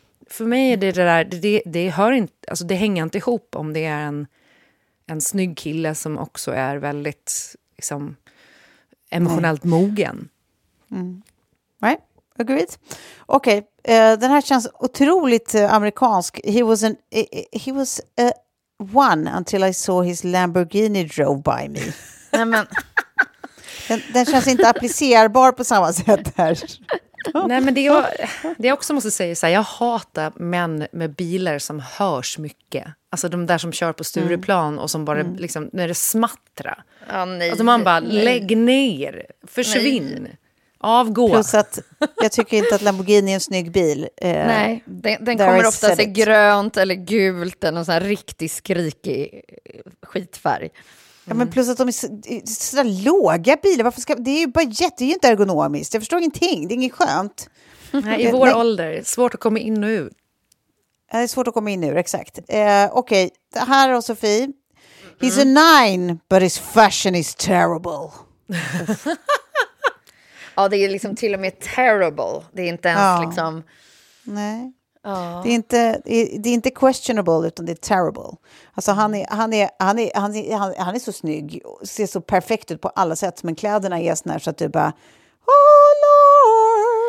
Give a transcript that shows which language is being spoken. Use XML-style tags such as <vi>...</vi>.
<sv>För mig är det där, det hör inte, alltså det hänger inte ihop om det är en snygg kille som också är väldigt liksom, emotionellt mogen.</sv> <en>Right, agreed.</en> <sv>Okej, den här känns otroligt amerikansk.</sv> <en>He was a one until I saw his Lamborghini drove by me.</en> <sv>Nej, men... Den känns inte applicerbar på samma sätt här. Nej, men det jag också måste säga så här, jag hatar män med bilar som hörs mycket. Alltså de där som kör på Stureplan och som bara liksom, nu är det smattra. Ja, nej. Alltså man bara, lägg ner, försvinn, avgå. Plus att jag tycker inte att Lamborghini är en snygg bil. Nej, den kommer ofta se grönt eller gult, en sån här riktigt skrikig skitfärg. Ja, men plus att de är sådana låga bilar. Varför ska, det är ju bara jätte ergonomiskt. Jag förstår ingenting. Det är inget skönt. Nej, i vår nej. Ålder. Svårt att komma in och ut. Ja, det är svårt att komma in nu, exakt. Okej, okay. Här har Sofie.</sv> <en>He's a nine, but his fashion is terrible.</en> <sv>Ja, det är liksom till och med terrible. Det är inte ens liksom... Nej. Oh. Det är inte questionable utan det är terrible. Alltså han är så snygg, ser så perfekt ut på alla sätt, men kläderna är såna här så att du bara</sv> <en>oh lord.</en>